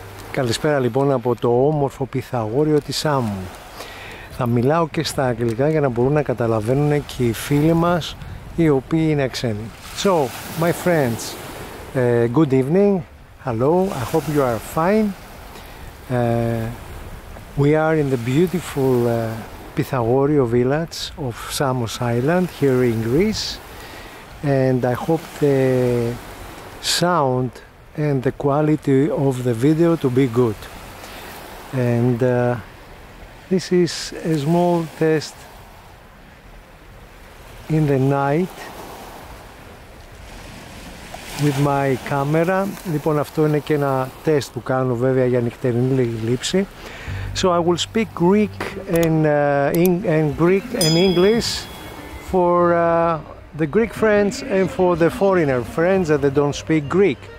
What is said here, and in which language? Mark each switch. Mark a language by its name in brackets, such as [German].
[Greek] Καλησπέρα λοιπόν από το όμορφο Πυθαγόριο της Σάμου. Θα μιλάω και στα αγγλικά για να μπορούν να καταλαβαίνουν και οι φίλοι μας οι οποίοι είναι ξένοι. [English] So, my friends, good evening, hello, I hope you are fine. We are in the beautiful Pythagorio village of Samos Island here in Greece, and I hope the sound and the quality of the video to be good. And this is a small test in the night with my camera. [Greek] Λοιπόν, αυτό είναι και ένα τεστ που κάνω βέβαια για νυχτερινή λήψη. [English] So I will speak Greek and Greek and English for the Greek friends and for the foreigner friends that they don't speak Greek.